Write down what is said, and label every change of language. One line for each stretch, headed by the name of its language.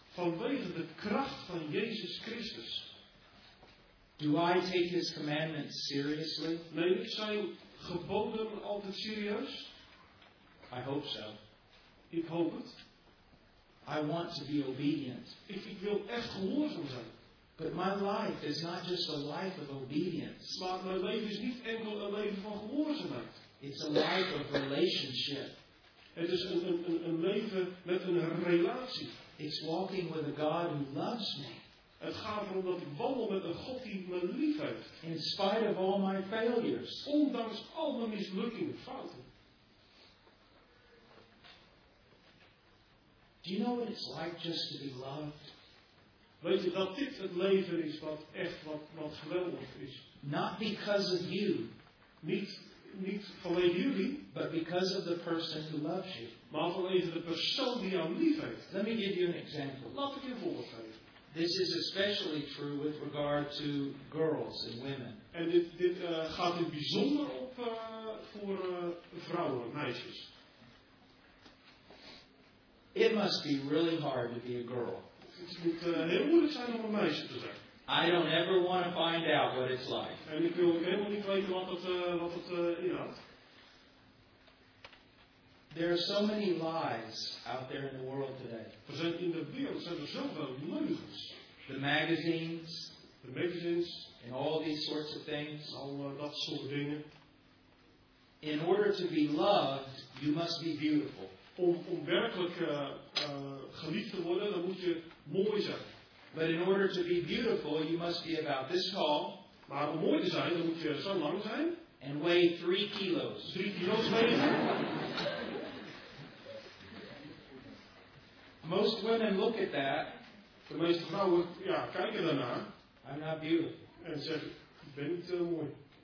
Dutch: Vanwege de kracht van Jezus Christus.
English: Do I take his commandments seriously?
Dutch: Neem ik zijn geboden altijd serieus?
English: I hope so.
Dutch: Ik hoop het.
English: I want to be obedient.
Dutch: Ik wil echt gehoorzaam zijn.
English: But my life is not just a life of obedience.
Dutch: Maar mijn leven is niet enkel een leven van gehoorzaamheid.
English: It's a life of relationship.
Dutch: Het is een leven met een relatie.
English: It's walking with a God who loves me.
Dutch: Het gaat erom dat ik wandel met een God die me lief heeft.
English: In spite of all my failures.
Dutch: Ondanks al mijn mislukkingen, fouten.
English: Do you know what it's like just to be loved?
Dutch: Weet je dat dit het leven is wat echt wat geweldig is?
English: Not because of you.
Dutch: Niet vanwege jullie,
English: but because of the person who loves you.
Dutch: Maar vanwege de persoon die jou lief heeft.
English: Let me give you an example.
Dutch: Laat ik je een voorbeeld geven.
English: This is especially true with regard to girls and women.
Dutch: En dit gaat in bijzonder op voor vrouwen, meisjes.
English: It must be really hard to be a girl.
Dutch: Het moet heel moeilijk zijn om een meisje te zijn.
English: I don't ever want to find out what it's like.
Dutch: En ik wil helemaal niet weten wat het inhoudt.
English: There are so many lies out there in the world today.
Dutch: In de wereld zijn er zoveel leugens.
English: The magazines, and all these sorts of things.
Dutch: Al dat soort dingen.
English: In order to be loved, you must be beautiful.
Dutch: Om werkelijk geliefd te worden, dan moet je mooi zijn.
English: But in order to be beautiful, you must be about this tall.
Dutch: Maar om mooi te zijn, dan moet je zo lang zijn.
English: And weigh 3 kilos.
Dutch: 3 kilo's wegen.
English: Most women look at that.
Dutch: De meeste vrouwen, ja, kijken daarnaar.
English: I'm not beautiful.
Dutch: En zeggen, ik ben niet heel mooi.